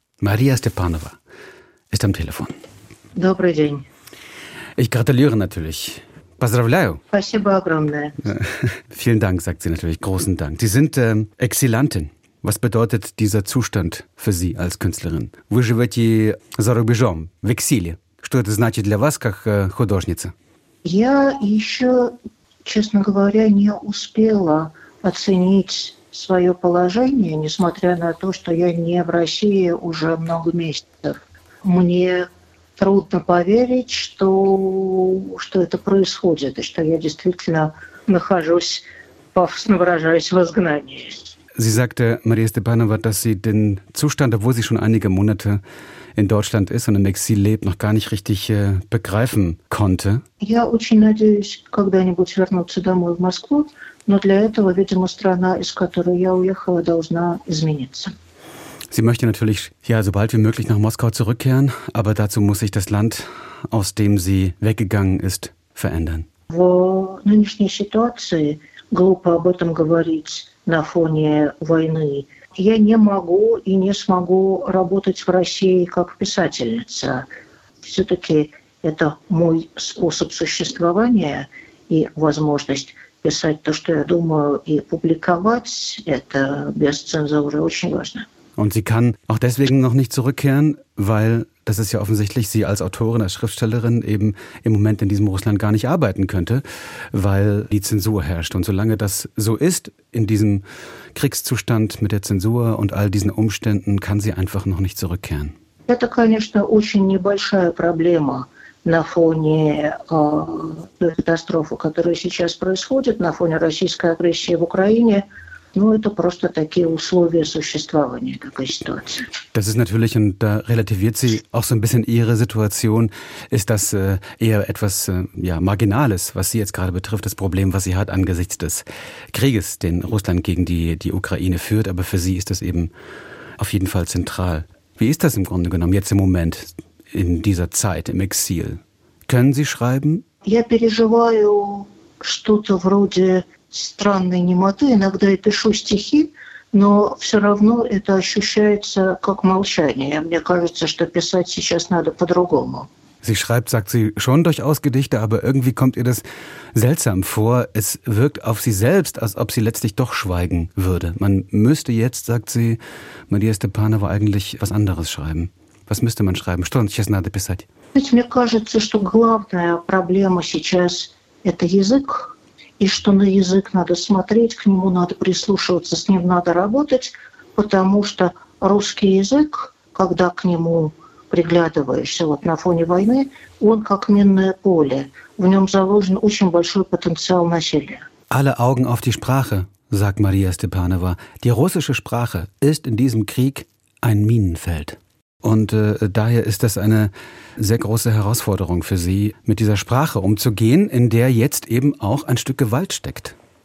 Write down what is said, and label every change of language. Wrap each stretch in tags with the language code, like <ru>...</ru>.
<de>Maria Stepanova ist am Telefon.</de> <ru>Добрый день.</ru> <de>Ich gratuliere natürlich.</de> <ru>Поздравляю. Спасибо огромное.</ru> <de>Vielen Dank, sagt sie natürlich. Großen Dank. Sie sind Exilantin. Was bedeutet dieser Zustand für Sie als Künstlerin?</de> <ru>Вы живете за рубежом, в Exile. Что это значит для вас, как художница? Я еще, честно говоря, не успела оценить свое положение, несмотря на то, что я не в России уже много месяцев. Мне трудно поверить, что это происходит, и что я действительно нахожусь, пафосно выражаясь, в изгнании.</ru> <de>Sie sagte, Maria Stepanova, dass sie den Zustand, obwohl sie schon einige Monate in Deutschland ist und im Exil lebt, noch gar nicht richtig begreifen konnte.</de> <ru>Я очень надеюсь когда-нибудь вернуться домой в Москву, но для этого, видимо, страна, из которой я уехала, должна измениться.</ru> <de>Sie möchte natürlich ja so bald wie möglich nach Moskau zurückkehren, aber dazu muss sich das Land, aus dem sie weggegangen ist, verändern.</de> <ru>В нынешней ситуации глупо об этом говорить на фоне войны. Я не могу и не смогу работать в России как писательница. Все-таки это мой способ существования и возможность писать то, что я думаю, и публиковать это без цензуры очень важно.</ru> <de>Und sie kann auch deswegen noch nicht zurückkehren, weil, das ist ja offensichtlich, sie als Autorin, als Schriftstellerin eben im Moment in diesem Russland gar nicht arbeiten könnte, weil die Zensur herrscht. Und solange das so ist, in diesem Kriegszustand mit der Zensur und all diesen Umständen, kann sie einfach noch nicht zurückkehren. Das ist natürlich eine sehr</de> <ru>небольшая Problem на фоне катастрофы, которая сейчас происходит, на фоне российской агрессии в Украине. Ну, это просто такие условия существования, такая ситуация.</ru> <de>Das ist natürlich, und da relativiert sie auch so ein bisschen ihre Situation, ist das eher etwas ja, Marginales, was sie jetzt gerade betrifft, das Problem, was sie hat angesichts des Krieges, den Russland gegen die Ukraine führt. Aber für sie ist das eben auf jeden Fall zentral. Wie ist das im Grunde genommen jetzt im Moment, in dieser Zeit, im Exil? Können Sie schreiben?</de> <ru>Я переживаю что-то вроде странной немоты, иногда я пишу стихи, но все равно это ощущается как молчание. Мне кажется, что писать сейчас надо по-другому.</ru> <de>Sie schreibt, sagt sie, schon durchaus Gedichte, aber irgendwie kommt ihr das seltsam vor. Es wirkt auf sie selbst, als ob sie letztlich doch schweigen würde. Man müsste jetzt, sagt sie, Maria Stepanova, eigentlich was anderes schreiben. Was müsste man schreiben?</de> <ru>Что сейчас надо писать? Ведь мне кажется, что главная проблема сейчас – это язык. И что на язык надо смотреть, к нему надо прислушиваться, с ним надо работать, потому что русский язык, когда к нему приглядываешься вот на фоне войны, он как минное поле. В нем заложен очень большой потенциал насилия.</ru> <de>Alle Augen auf die Sprache, sagt Maria Stepanova. Die russische Sprache ist in diesem Krieg ein Minenfeld. Und daher ist das eine sehr große Herausforderung für Sie, mit dieser Sprache umzugehen, in der jetzt eben auch ein Stück Gewalt steckt.</de>